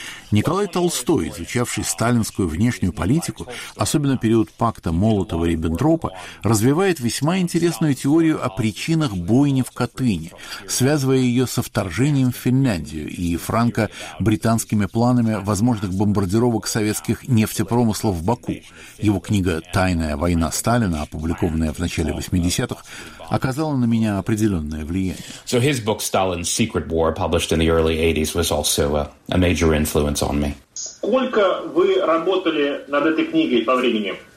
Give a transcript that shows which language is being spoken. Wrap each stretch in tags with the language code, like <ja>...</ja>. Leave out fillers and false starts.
<ru>Николай Толстой, изучавший сталинскую внешнюю политику, особенно период пакта Молотова-Риббентропа, развивает весьма интересную теорию о причинах бойни в Катыни, связывая ее со вторжением в Финляндию и франко-британскими планами возможных бомбардировок советских нефтепромыслов в Баку. Его книга «Тайная война Сталина», опубликованная в начале 80-х, оказала на меня определенное влияние.</ru> <en>So his book «Stalin's Secret War», published in the early 80s, was also a major influence on me.</en> <ru>Сколько вы работали над этой книгой по времени?</ru>